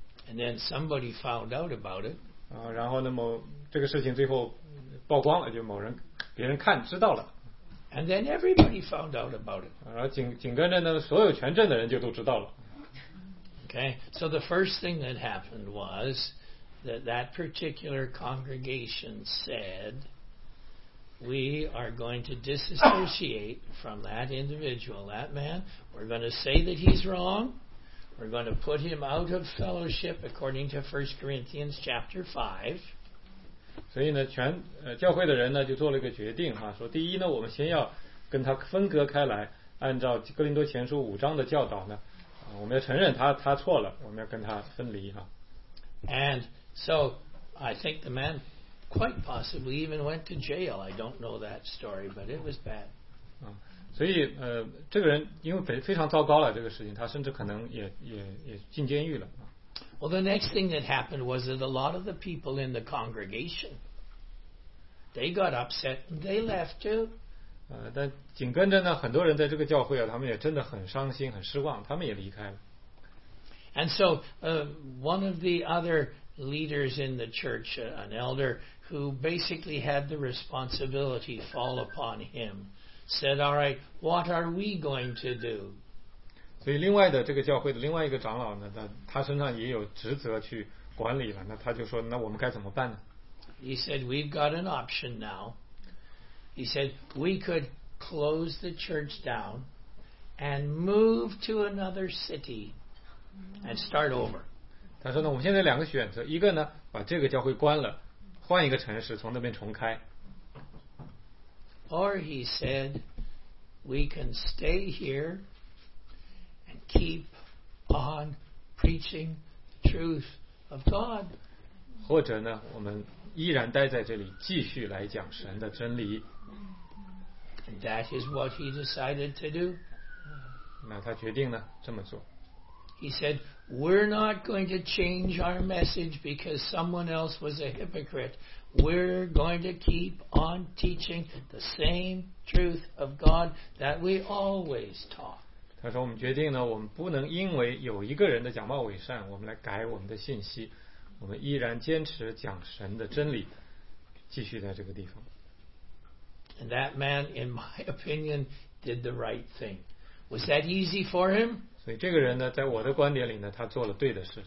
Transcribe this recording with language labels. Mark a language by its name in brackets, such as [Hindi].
[English] And then somebody found out about it. [Chinese] 然后呢，这个事情最后曝光了，就别人看知道了。 [English] And then everybody found out about it. [Chinese] 然后紧跟着呢，所有全镇的人就都知道了。 [English] Okay, so the first thing that happened was. That particular congregation said, we are going to disassociate from that individual, that man. We're going to say that he's wrong. We're going to put him out of fellowship according to 1 Corinthians chapter 5. [Chinese] 所以呢，全教会的人呢就做了一个决定哈，说第一呢，我们先要跟他分隔开来，按照哥林多前书五章的教导呢，我们要承认他错了，我们要跟他分离哈。 [English] And So, I think the man quite possibly even went to jail. I don't know that story, but it was bad. [Chinese] 所以这个人因为非常糟糕了这个事情，他甚至可能也进监狱了。 [English] Well, the next thing that happened was that a lot of the people in the congregation, they got upset and they left too. [Chinese] 但紧跟着呢，很多人在这个教会啊，他们也真的很伤心，很失望，他们也离开了。 [English] And so, one of the other... leaders in the church, an elder who basically had the responsibility fall upon him, said, "All right, what are we going to do?" [Chinese] 所以另外的这个教会的另外一个长老呢，他身上也有职责去管理了。那他就说，那我们该怎么办呢？ [English] He said, "We've got an option now." He said, "We could close the church down and move to another city and start over." [Chinese] 他说呢，我们现在两个选择，一个呢把这个教会关了，换一个城市从那边重开。 [English] Or he said, we can stay here and keep on preaching the truth of God. [Chinese] 或者呢，我们依然待在这里，继续来讲神的真理。 [English] And that is what he decided to do. [Chinese] 那他决定呢这么做。 [English] He said, we're not going to change our message because someone else was a hypocrite. We're going to keep on teaching the same truth of God that we always taught. [Chinese] 他说我们决定呢，我们不能因为有一个人的假冒伪善，我们来改我们的信息。我们依然坚持讲神的真理，继续在这个地方。 [English] And that man, in my opinion, did the right thing. Was that easy for him? [Chinese] 所以这个人呢，在我的观点里呢，他做了对的事。